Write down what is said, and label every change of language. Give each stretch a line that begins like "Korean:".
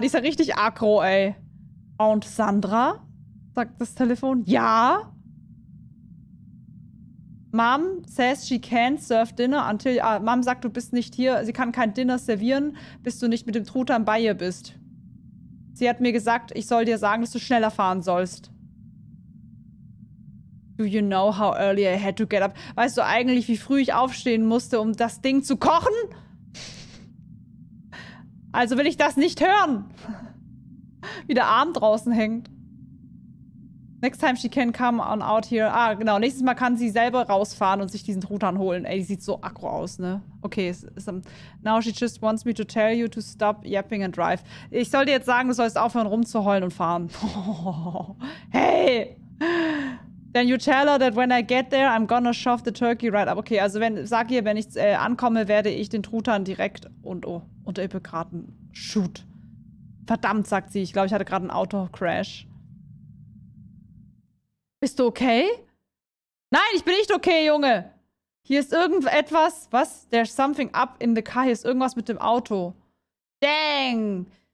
German: Die ist ja richtig aggro, ey. Und Sandra? Sagt das Telefon. Ja?
English: Mom says she can't serve dinner until... Mom sagt, du bist nicht hier.
German: Sie kann kein Dinner servieren, bis du nicht mit dem Truthahn bei ihr bist. Sie hat mir gesagt, ich soll dir sagen, dass du schneller fahren sollst.
English: Do you know how early I had to get up?
German: Weißt du eigentlich, wie früh ich aufstehen musste, um das Ding zu kochen? Also will ich das nicht hören. Wie der Arm draußen hängt.
English: Next time she can come on out here. Ah, genau.
German: Nächstes Mal kann sie selber rausfahren und sich diesen Truthahn holen. Ey, die sieht so aggro aus, ne?
English: Okay, now she just wants me to tell you to stop yapping and drive.
German: Ich soll dir jetzt sagen, du sollst aufhören rumzuheulen und fahren. Hey!
English: Then you tell her that when I get there, I'm gonna shove the turkey right up.
German: Okay, also wenn, sag ihr, wenn ich ankomme, werde ich den Truthahn direkt und oh, unter Hippokraten. Shoot. Verdammt, sagt sie. Ich glaube, ich hatte gerade einen Auto-Crash. Bist du okay? Nein, ich bin nicht okay, Junge! Hier ist irgendetwas. Was? There's something up in the car. Hier ist irgendwas mit dem Auto. Dang!